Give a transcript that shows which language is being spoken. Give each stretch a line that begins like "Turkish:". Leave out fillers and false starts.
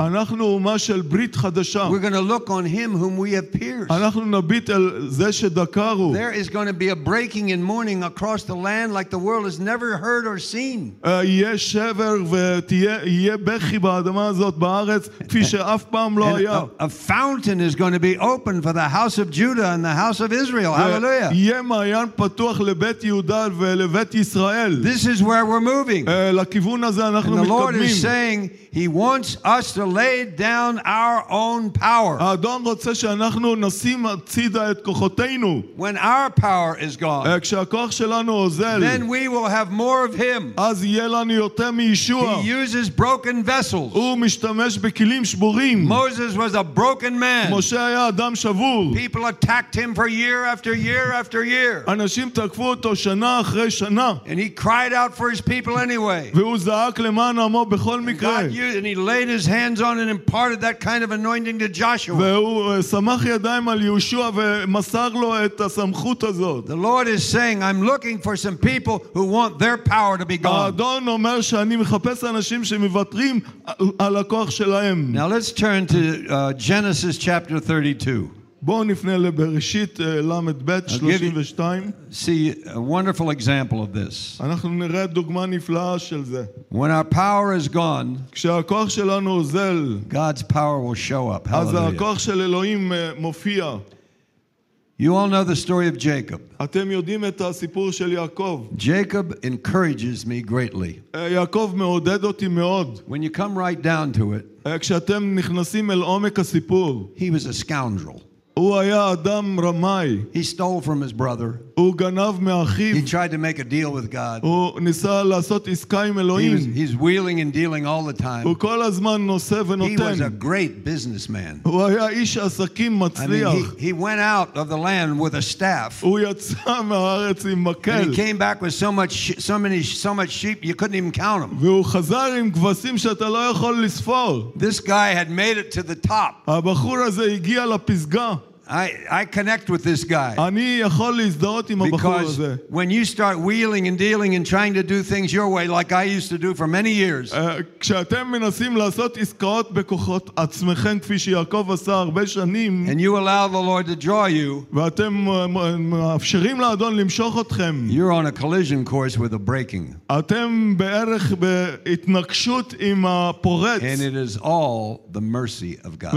Hebrew: אנחנו אומה של ברית חדשה.
English: We're going to look on him whom we have pierced.
Hebrew: אנחנו נביט על זה שדקרו.
English: There is going to be a breaking and mourning across the land like the world has never heard or seen.
Hebrew: יהיה שבר ותהיה בכי באדמה הזאת בארץ כפי שאף פעם לא היה.
English: A fountain is going to be open for the house of Judah and the house of Israel. Hallelujah.
Hebrew: יהיה מעיין פתוח לבית יהודה ולבית ישראל.
English: This is where we're moving.
Hebrew: לכיוון הזה אנחנו מתקדמים.
English: And the Lord is saying he wants us to lay down our own power.
Hebrew: האדון רוצה שאנחנו נשים הצידה את כוחותינו.
English: When our power is gone.
Hebrew: כשהכוח שלנו עוזל.
English: Then we will have more of him.
Hebrew: אז יהיה לנו יותר מישוע.
English: He uses broken vessels.
Hebrew: הוא משתמש בכלים שבורים.
English: Moses was a broken man.
Hebrew: משה היה אדם שבור.
English: People attacked him for year after year after year.
Hebrew: אנשים תקפו אותו שנה אחרי שנה.
English: And he cried out for his people anyway.
Hebrew: והוא זעק למען עמו בכל מקרה.
English: And he laid his hands on and imparted that kind of anointing to Joshua. The Lord is saying, I'm looking for some people who want their power to be gone. Now let's turn to Genesis chapter 32.
Hebrew: בואו נפנה לבראשית למד בית 32.
English: See a wonderful example of this.
Hebrew: אנחנו נראה דוגמה נפלאה של זה.
English: When our power is gone,
Hebrew: כשהכוח שלנו עוזל,
English: God's power will show up.
Hebrew: אז הכוח של אלוהים מופיע.
English: You all know the story of Jacob.
Hebrew: אתם יודעים את הסיפור של יעקב.
English: Jacob encourages me greatly.
Hebrew: יעקב מעודד אותי מאוד.
English: When you come right down to it,
Hebrew: כשאתם נכנסים אל עומק הסיפור,
English: he was a scoundrel.
Hebrew: הוא היה אדם רמאי.
English: He stole from his brother.
Hebrew: הוא גנב מאחיו.
English: He tried to make a deal with God.
Hebrew: הוא ניסה לעשות עסקה עם אלוהים.
English: He's wheeling and dealing all the time.
Hebrew: הוא כל הזמן נושא ונותן.
English: He was a great businessman.
Hebrew: הוא היה איש עסקים מצליח.
English: He went out of the land with a staff.
Hebrew: הוא יצא מהארץ עם מקל.
English: And he came back with so much sheep you couldn't even count them.
Hebrew: והוא חזר עם כבשים שאתה לא יכול לספור.
English: This guy had made it to the top.
Hebrew: הבחור הזה הגיע לפסגה.
English: I connect with this guy.
Hebrew: אני יכול להזדהות עם הבחור הזה.
English: Because when you start wheeling and dealing and trying to do things your way, like I used to do for many years.
Hebrew: כשאתם מנסים לעשות עסקאות בכוחות עצמכם, כפי שיעקב עשה הרבה שנים.
English: And you allow the Lord to draw you.
Hebrew: ואתם מאפשרים לאדון למשוך אתכם.
English: You're on a collision course with a breaking.
Hebrew: אתם בערך בהתנגשות עם הפורץ.
English: And it is all the mercy of God.